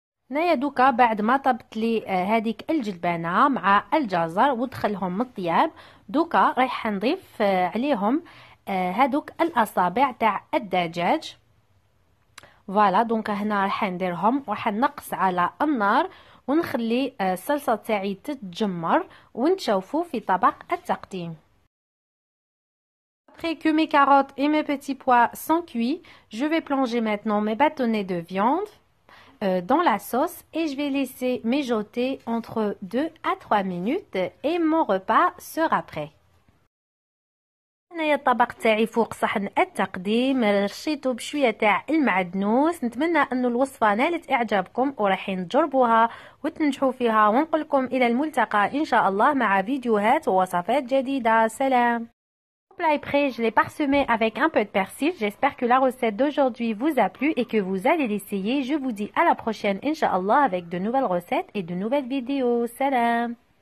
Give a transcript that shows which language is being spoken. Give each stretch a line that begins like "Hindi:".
Arabic: نايا دوكا بعد ما طبت لي هذيك الجلبانه مع الجزر ودخلهم الطياب، دوكا رايح نضيف عليهم هذوك الاصابع تاع الدجاج. فوالا دونك هنا راح نديرهم، راح نقص على النار ونخلي الصلصه تاعي تتجمر ونشوفو في طبق التقديم.
French: Après que mes carottes et mes petits pois sont cuits, je vais plonger maintenant mes bâtonnets de viande dans la sauce et je vais laisser mijoter entre 2 à 3 minutes et mon repas sera prêt.
Arabic: هنايا الطبق تاعي فوق صحن التقديم، رشيتو بشوية تاع المعدنوس. نتمنى انو الوصفة نالت اعجابكم ورايحين تجربوها وتنجحوا فيها، ونقولكم الى الملتقى ان شاء الله مع فيديوهات ووصفات جديدة. سلام.
French: Le plat est prêt, je l'ai parsemé avec un peu de persil. J'espère que la recette d'aujourd'hui vous a plu et que vous allez l'essayer. Je vous dis à la prochaine, Inch'Allah, avec de nouvelles recettes et de nouvelles vidéos. Salam!